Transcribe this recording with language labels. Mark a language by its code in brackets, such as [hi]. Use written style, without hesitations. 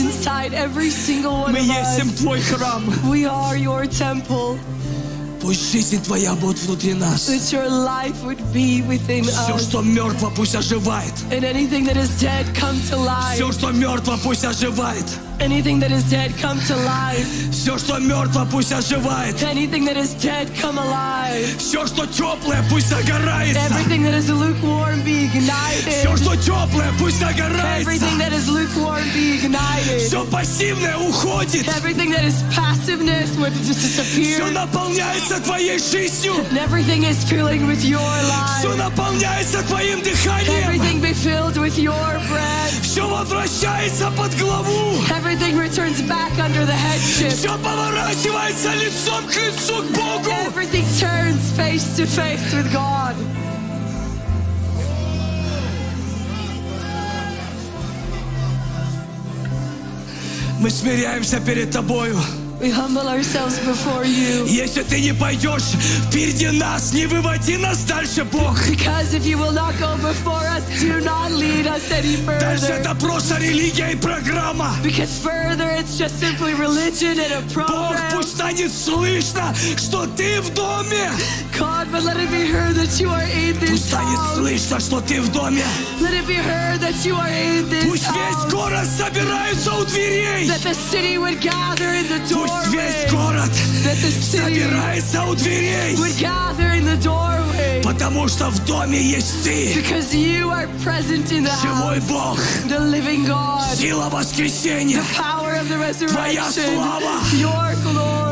[en] inside every single one [ru] мы [en] of [ru] есть [en] us, [ru] твой храм, [en] we are your temple. [ru] Пусть жизнь твоя будет внутри нас. [en] That your life would be within us. [ru] Все, что мертво, пусть оживает. [en] And anything that is dead, come to life. [ru] Все, что мертво, пусть оживает. [en] Anything that is dead, come to life. [ru] Все, что мертво, пусть оживает. [en] Anything that is dead, come alive. [ru] Все, что теплое, пусть загорается. [en] Everything that is lukewarm, be ignited. [ru] Все, что теплое, пусть загорается. [en] Everything that is lukewarm, be ignited. [ru] Все пассивное уходит. [en] Everything that is passiveness would just disappear. [ru] Все наполняется твоей жизнью. [en] And everything is filling with your life. [ru] Все наполняется твоим дыханием. [en] Everything be filled with your breath. [ru] Все возвращается под главу. [en] Everything returns back under the headship. [ru] Все поворачивается лицом к лицу к Богу. [en] Everything turns face to face with God. [ru] Мы смиряемся перед тобою. [en] We humble ourselves before you. [ru] Если ты не пойдешь впереди нас, не выводи нас дальше, Бог. [en] Because if you will not go before us, do not lead us any further. [ru] Дальше это просто религия и программа. [en] Because further, it's just simply religion and a program. [ru] Бог, пусть станет слышно, что ты в доме. [en] God, but let it be heard that you are in this house. [ru] Пусть станет слышно, что ты в доме. [en] Let it be heard that you are in this house. [ru] Пусть весь город собирается у дверей. [en] That the city would gather in the doorway. [ru] Пусть весь город собирается у дверей, [en] would gather in the doorway, [ru] потому что в доме есть ты, [en] because you are present in the house, [ru] живой Бог, [en] the living God, [ru] сила воскресения, [en] the power of the resurrection, [ru] твоя слава, [en] your glory,